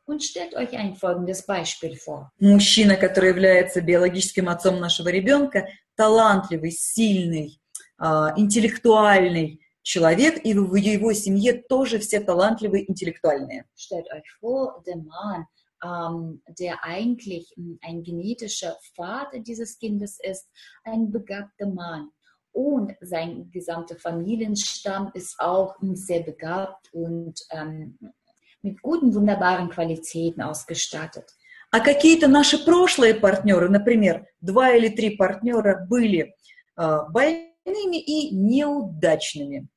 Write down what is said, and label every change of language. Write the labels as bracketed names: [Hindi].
[German] Und stellt euch ein folgendes Beispiel vor. [Russian] Мужчина, который является биологическим отцом нашего ребенка, талантливый, сильный, интеллектуальный человек, и в его семье тоже все талантливые, интеллектуальные. [German] Stellt euch vor, der Mann, der eigentlich ein genetischer Vater dieses Kindes ist, ein begabter Mann. Und sein gesamter Familienstamm ist auch sehr begabt und mit guten, wunderbaren Qualitäten ausgestattet. [Russian] А какие-то наши прошлые партнеры, например, два или три партнера были больными и неудачными.